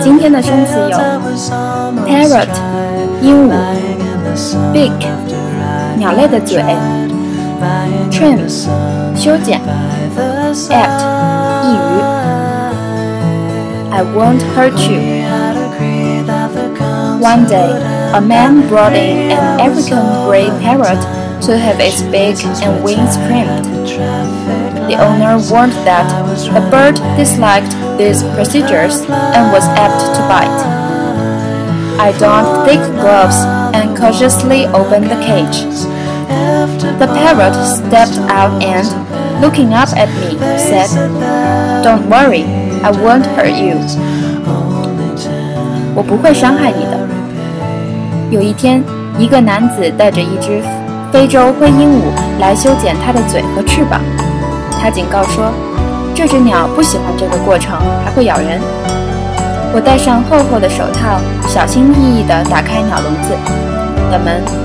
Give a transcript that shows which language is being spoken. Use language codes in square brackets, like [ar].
[zh] 今天的生词有 parrot 鹦鹉 beak 鸟类的嘴 trim 修剪 apt 易于 [en] I won't hurt you. One day, a man brought in an African gray parrot to have its beak and wings trimmed. The owner warned that the bird disliked these procedures and was apt to bite. I donned thick gloves and cautiously opened the cage. The parrot stepped out and, looking up at me, said, Don't worry, I won't hurt you. [zh] 我不会伤害你的。有一天，一个男子带着一只非洲灰鹦鹉来修剪它的嘴和翅膀。他警告说，这只鸟不喜欢这个过程，还会咬人。我戴上厚厚的手套，小心翼翼地打开鸟笼子的门。